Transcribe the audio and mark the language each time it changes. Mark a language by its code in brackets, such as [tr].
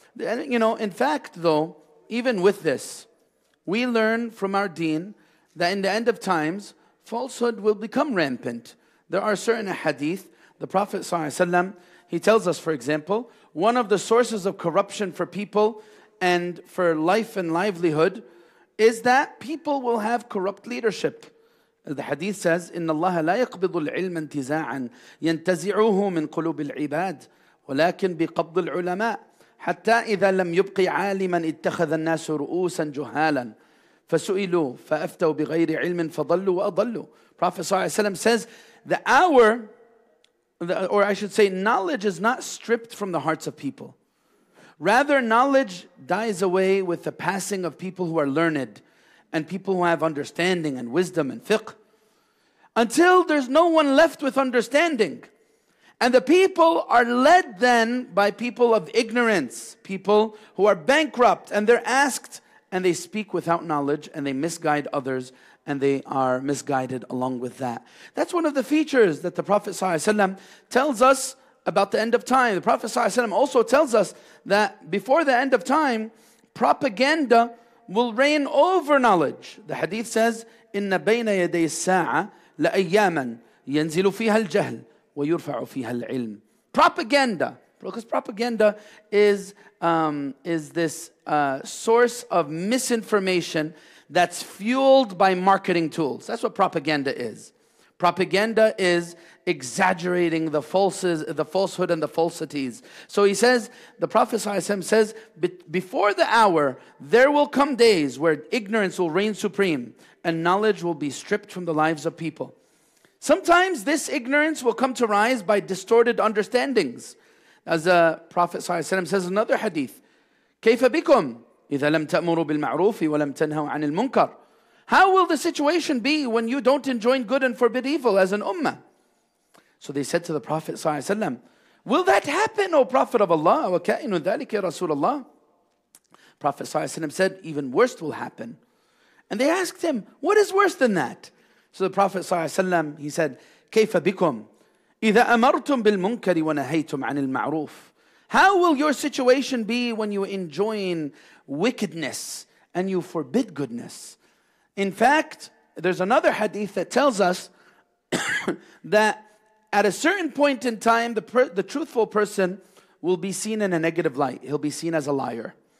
[en] You know, in fact though, even with this, we learn from our deen that in the end of times, falsehood will become rampant. There are certain hadith, the Prophet ﷺ, he tells us, for example, one of the sources of corruption for people and for life and livelihood is that people will have corrupt leadership. [ar] The hadith says, إِنَّ اللَّهَ لَا يَقْبِضُ الْعِلْمَ انْتِزَاعًا يَنْتَزِعُهُ مِنْ قُلُوبِ الْعِبَادِ وَلَكِنْ بِقَبْضِ الْعُلَمَاءِ حَتَّى إِذَا لَمْ يُبْقِ عَالِمًا اتَّخَذَ النَّاسُ رُؤُوسًا جُهَالًا فَسُئِلُوا فَأَفْتَوْا بِغَيْرِ عِلْمٍ فَضَلُّوا وَأَضَلُّوا. [en] Prophet ﷺ says, the hour or I should say, knowledge is not stripped from the hearts of people. Rather, knowledge dies away with the passing of people who are learned and people who have understanding and wisdom and fiqh, until there's no one left with understanding. And the people are led then by people of ignorance, people who are bankrupt, and they're asked and they speak without knowledge and they misguide others and they are misguided along with that. That's one of the features that the Prophet ﷺ tells us about the end of time. The Prophet ﷺ also tells us that before the end of time, propaganda will reign over knowledge. The hadith says, [ar] إِنَّ بَيْنَ يَدَيْ السَّاعَةَ لَأَيَّامًا يَنْزِلُ فِيهَا الْجَهْلِ وَيُرْفَعُ فِيهَا الْعِلْمِ. [en] Propaganda. Because propaganda is this source of misinformation that's fueled by marketing tools. That's what propaganda is. Propaganda is exaggerating the falsehood and the falsities. So he says, the Prophet ﷺ says, before the hour, there will come days where ignorance will reign supreme and knowledge will be stripped from the lives of people. Sometimes this ignorance will come to rise by distorted understandings. As the Prophet ﷺ says another hadith, [ar] كَيْفَ بِكُمْ إِذَا لَمْ تَأْمُرُوا بِالْمَعْرُوفِ وَلَمْ تَنْهَوْا عَنِ الْمُنْكَرِ. [en] How will the situation be when you don't enjoin good and forbid evil as an ummah? So they said to the Prophet ﷺ, will that happen, O Prophet of Allah? [ar] وَكَأِنُ ذَلِكَ رَسُولَ اللَّهِ. [en] Prophet ﷺ said, even worse will happen. And they asked him, what is worse than that? So the Prophet ﷺ, he said, [ar] كَيْفَ بِكُمْ إِذَا أَمَرْتُمْ بِالْمُنْكَرِ وَنَهَيْتُمْ عَنِ الْمَعْرُوفِ. [en] How will your situation be when you enjoin wickedness and you forbid goodness? In fact, there's another hadith that tells us that at a certain point in time, the truthful person will be seen in a negative light. He'll be seen as a liar.